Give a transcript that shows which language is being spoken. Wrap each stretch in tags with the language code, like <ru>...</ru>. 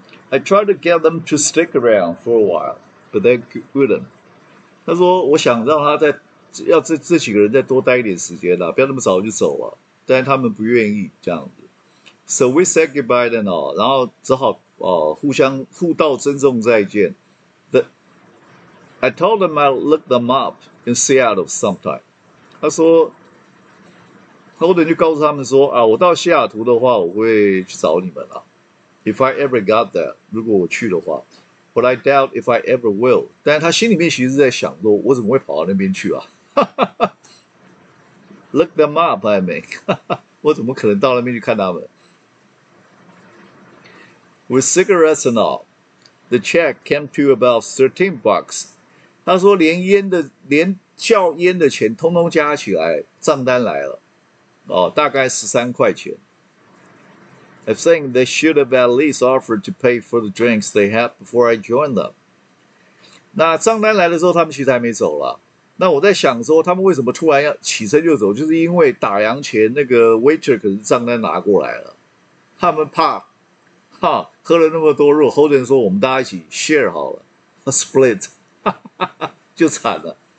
<en>I tried to get them to stick around for a while, but they couldn't.</en> <zh>他说：“我想让他再要这几个人再多待一点时间啦，不要那么早就走了。” 但他们不愿意这样子。</zh> <en>So we said goodbye then,</en> <zh>哦，然后只好互相互道珍重再见。</zh> <en>I told them I'd look them up in Seattle sometime.</en> <zh>他说，他后来就告诉他们说：“啊，我到西雅图的话，我会去找你们啦。”</zh> <en>If I ever got there,</en> <zh>如果我去的话</zh> <en>，but I doubt if I ever will.</en> <zh>但他心里面其实是在想说，我怎么会跑到那边去啊？</zh> <en>Look them up, I mean.</en> <zh>我怎么可能到那边去看他们</zh> <en>？With cigarettes and all, the check came to about $13.</en> <zh>他说连烟的连叫烟的钱通通加起来，账单来了，哦，大概$13。</zh> <en>I'm saying they should have at least offered to pay for the drinks they had before I joined them.</en> <zh>那账单来的时候，他们其实还没走了。那我在想说，他们为什么突然要起身就走？就是因为打烊前那个 waiter 可能账单拿过来了，他们怕，哈，喝了那么多肉 ，Holden 说我们大家一起 share 好了 ，split， 就惨了。</zh>